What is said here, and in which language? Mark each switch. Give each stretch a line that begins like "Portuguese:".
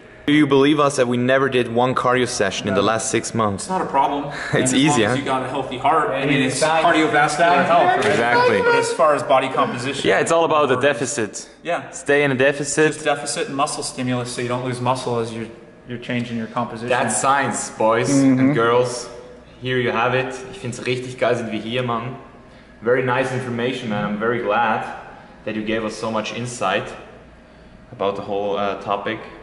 English: Do you believe us that we never did one cardio session in the last 6 months? It's not a problem. It's easy, huh? As long as you got a healthy heart, it's cardiovascular health. Right? Exactly. But as far as body composition... Yeah, it's all about the deficit. Yeah. Stay in a deficit. Just deficit and muscle stimulus so you don't lose muscle as you're changing your composition. That's science, boys and girls. Here you have it.
German: Ich find's richtig geil, sind wir hier, Mann.
English: Very nice information, man. I'm very glad that you gave us so much insight about the whole topic.